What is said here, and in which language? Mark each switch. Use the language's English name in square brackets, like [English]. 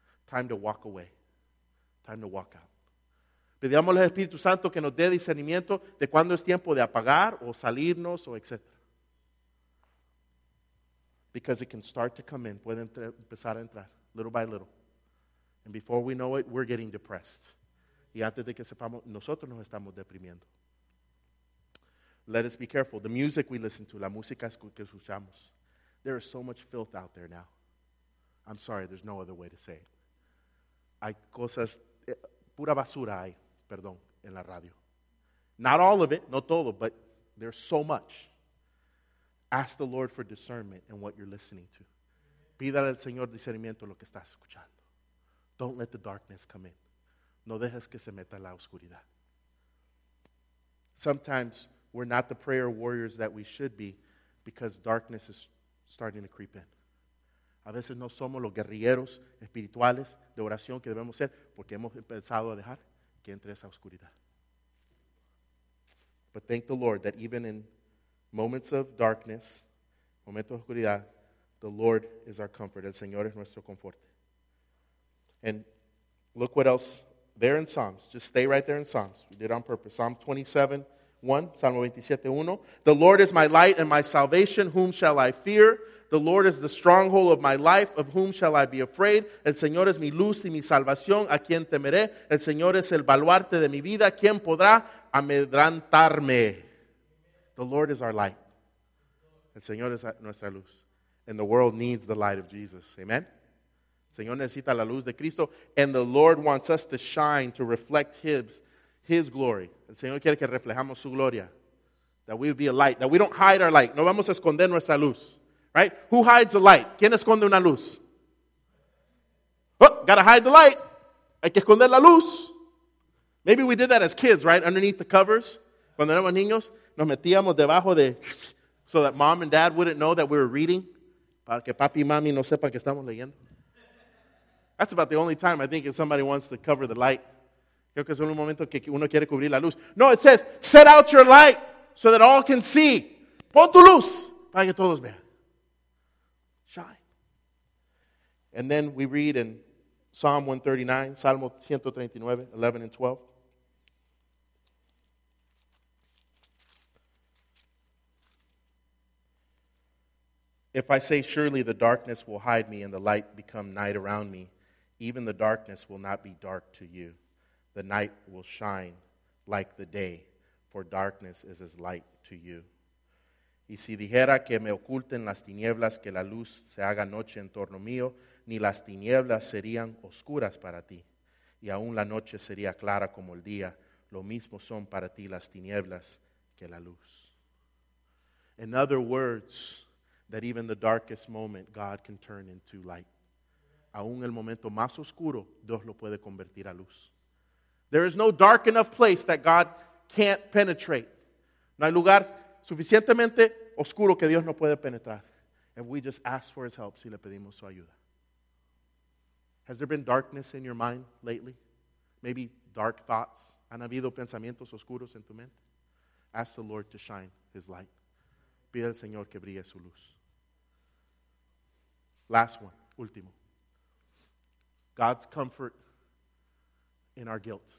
[English] Time to walk away. Time to walk out. [Spanish] Pidamos al Espíritu Santo que nos dé discernimiento de cuándo es tiempo de apagar o salirnos o etc. [English] Because it can start to come in. [Spanish] Puede empezar a entrar, [English] little by little. And before we know it, we're getting depressed. [Spanish] Y antes de que sepamos, nosotros nos estamos deprimiendo. [English] Let us be careful. The music we listen to, [Spanish] la música que escuchamos. [English] There is so much filth out there now. I'm sorry, there's no other way to say it. [Spanish] Hay cosas, pura basura hay, perdón, en la radio. [English] Not all of it, [Spanish] no todo, [English] but there's so much. Ask the Lord for discernment in what you're listening to. [Spanish] Pídale al Señor discernimiento lo que estás escuchando. [English] Don't let the darkness come in. [Spanish] No dejes que se meta la oscuridad. [English] Sometimes, we're not the prayer warriors that we should be because darkness is starting to creep in. [Spanish] A veces no somos los guerrilleros espirituales de oración que debemos ser porque hemos empezado a dejar que entre esa oscuridad. [English] But thank the Lord that even in moments of darkness, [Spanish] momentos de oscuridad, [English] the Lord is our comfort. [Spanish] El Señor es nuestro confort. [English] And look what else there in Psalms. Just stay right there in Psalms. We did it on purpose. Psalm 27. 1, [Spanish] Salmo 27, 1. [English] The Lord is my light and my salvation. Whom shall I fear? The Lord is the stronghold of my life. Of whom shall I be afraid? [Spanish] El Señor es mi luz y mi salvación. ¿A quién temeré? El Señor es el baluarte de mi vida. ¿Quién podrá amedrantarme? [English] The Lord is our light. [Spanish] El Señor es nuestra luz. [English] And the world needs the light of Jesus. Amen? [Spanish] El Señor necesita la luz de Cristo. [English] And the Lord wants us to shine, to reflect His glory. [Spanish] El Señor quiere que reflejamos su gloria. [English] That we be a light. That we don't hide our light. [Spanish] No vamos a esconder nuestra luz. [English] Right? Who hides the light? [Spanish] ¿Quién esconde una luz? [English] Oh, gotta hide the light. [Spanish] Hay que esconder la luz. [English] Maybe we did that as kids, right? Underneath the covers. [Spanish] Cuando éramos niños, nos metíamos debajo de... [English] So that mom and dad wouldn't know that we were reading. [Spanish] Para que papi y mami no sepa que estamos leyendo. [English] That's about the only time I think if somebody wants to cover the light. [Spanish] Creo que es un momento que uno quiere cubrir la luz. [English] No, it says, set out your light so that all can see. [Spanish] Pon tu luz para que todos vean. [English] Shine. And then we read in Psalm 139, [Spanish] Salmo 139, [English] 11 and 12. If I say, surely the darkness will hide me and the light become night around me, even the darkness will not be dark to you. The night will shine like the day, for darkness is as light to you. [Spanish] Y si dijera que me oculten las tinieblas, que la luz se haga noche en torno mío, ni las tinieblas serían oscuras para ti, y aún la noche sería clara como el día, lo mismo son para ti las tinieblas que la luz. [English] In other words, that even the darkest moment God can turn into light. [Spanish] Aún el momento más oscuro, Dios lo puede convertir a luz. [English] There is no dark enough place that God can't penetrate. [Spanish] No hay lugar suficientemente oscuro que Dios no puede penetrar. [English] If we just ask for His help, [Spanish] si le pedimos su ayuda. [English] Has there been darkness in your mind lately? Maybe dark thoughts. [Spanish] ¿Han habido pensamientos oscuros en tu mente? [English] Ask the Lord to shine His light. [Spanish] Pide al Señor que brille su luz. [English] Last one, [Spanish] último. [English] God's comfort in our guilt.